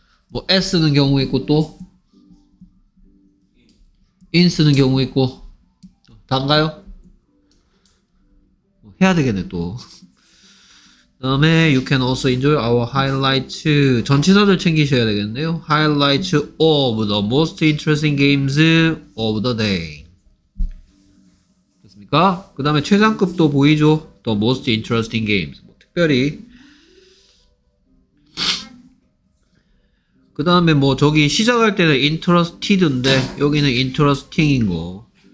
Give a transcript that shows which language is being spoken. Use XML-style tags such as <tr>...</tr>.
<ko>뭐 S 쓰는 경우 있고 또 In 쓰는 경우 있고 단가요? 뭐 해야 되겠네 또. 그 다음에</ko> <en>You can also enjoy our highlights.</en> <ko>전치사들 챙기셔야 되겠네요.</ko> <en>Highlights of the most interesting games of the day.</en> <ko>됐습니까? 그 다음에 최상급도 보이죠?</ko> <en>The most interesting games.</en> <ko>뭐 특별히. 그 다음에 뭐 저기 시작할 때는 interested인데 여기는 interesting인 거.</ko>